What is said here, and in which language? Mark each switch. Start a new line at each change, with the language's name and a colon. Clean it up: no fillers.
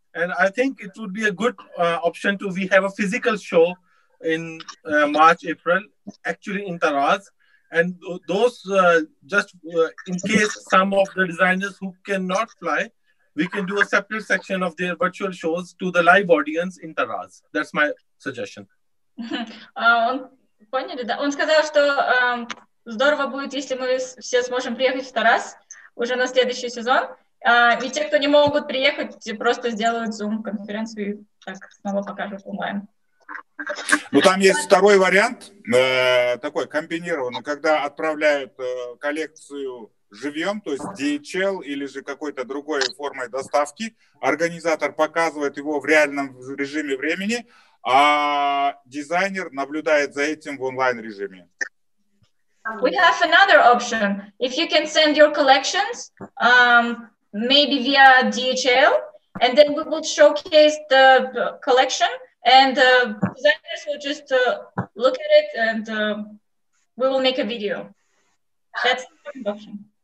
English: And I think it would be a good option to we have a physical show in March, April, actually in Taraz. And those, in case some of the designers who cannot fly, we can do a separate section of their virtual shows to the live audience in Taraz. That's my suggestion.
Russian: Поняли, да? Он сказал, что здорово будет, если мы все сможем приехать в Тарас уже на следующий сезон. И те, кто не могут приехать, просто сделают Zoom-конференцию и так снова покажут онлайн. Ну, там есть второй вариант, такой комбинированный, когда отправляют коллекцию живьем, то есть DHL или же какой-то другой формой доставки. Организатор показывает его в реальном режиме времени, а дизайнер наблюдает за этим в онлайн-режиме.
English: We have another option. If you can send your collections, maybe via DHL, and then we will showcase the collection, and the designers will just look at it, and we will make a video. That's the second option.